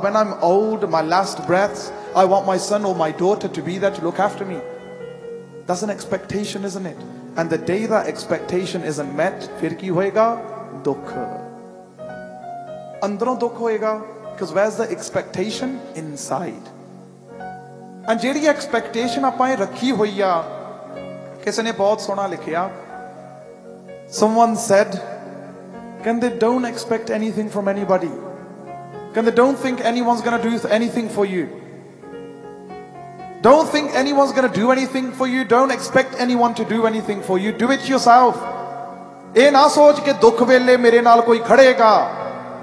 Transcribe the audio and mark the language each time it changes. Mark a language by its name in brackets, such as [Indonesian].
[English] When I'm old, my last breaths, I want my son or my daughter to be there to look after me. That's an expectation, isn't it? And the day that expectation isn't met, [Punjabi] ਫਿਰ ਕੀ ਹੋਏਗਾ? ਦੁੱਖ. ਅੰਦਰੋਂ ਦੁੱਖ ਹੋਏਗਾ. [English] Because where's the expectation? Inside. [Punjabi] And ਜਿਹੜੀ expectation ਆਪਾਂ ਇਹ ਰੱਖੀ ਹੋਈ ਆ, ਕਿਸੇ ਨੇ ਬਹੁਤ ਸੋਹਣਾ ਲਿਖਿਆ. [English] Someone said, can they don't expect anything from anybody? Can they don't think anyone's going to do anything for you? Don't think anyone's going to do anything for you. Don't expect anyone to do anything for you. Do it yourself. [Punjabi] Eh na soch ke dukh vele mere naal koi khadega.